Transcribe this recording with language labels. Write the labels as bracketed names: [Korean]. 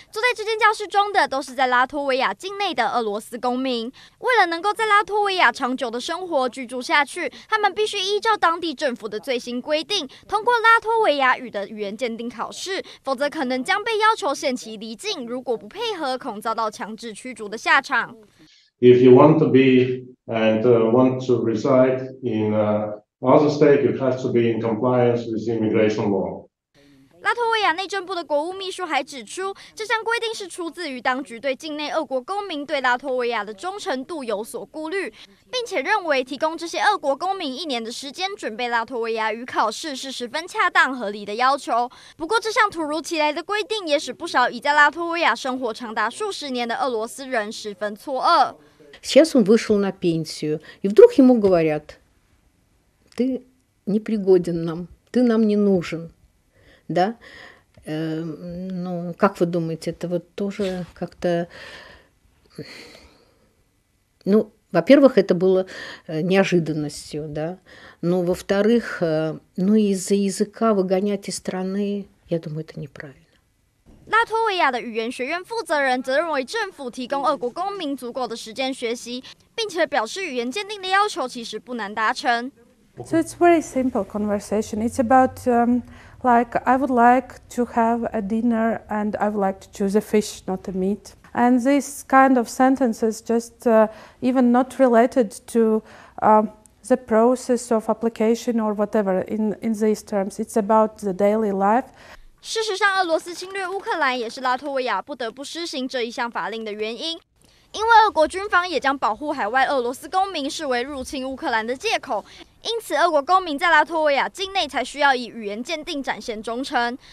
[Chinese] 坐在这间教室中的都是在拉脱维亚境内的俄罗斯公民，为了能够在拉脱维亚长久的生活居住下去，他们必须依照当地政府的最新规定通过拉脱维亚语的语言鉴定考试，否则可能将被要求限期离境，如果不配合恐遭到强制驱逐的下场。 [English] If you want to be and want to reside in another state, you have to be in compliance with immigration law. [Chinese] 拉脱维亚内政部的国务秘书还指出，这项规定是出自于当局对境内俄国公民对拉脱维亚的忠诚度有所顾虑，并且认为提供这些俄国公民一年的时间准备拉脱维亚语考试是十分恰当合理的要求。不过这项突如其来的规定也使不少已在拉脱维亚生活长达数十年的俄罗斯人十分错愕。 [Russian] Сейчас он вышел на пенсию, и вдруг ему говорят: «Ты не пригоден нам, ты нам не нужен.» Да, ну, как вы думаете, это вот тоже как-то, ну, во-первых, это было неожиданностью, да, но, во-вторых, ну, из-за языка выгонять из страны, я думаю, это неправильно. [Chinese] 拉脱维亚的语言学院负责人则认为，政府提供俄国公民足够的时间学习，并且表示语言鉴定的要求其实不难达成。 [English] So it's very simple conversation. It's about, like, I would like to have a dinner, and I would like to choose a fish, not a meat. And this kind of sentences just, even not related to, the process of application or whatever. In these terms, it's about the daily life. [Chinese] 事实上，俄罗斯侵略乌克兰也是拉脱维亚不得不施行这一项法令的原因，因为俄国军方也将保护海外俄罗斯公民视为入侵乌克兰的借口，因此俄国公民在拉脱维亚境内才需要以语言鉴定展现忠诚。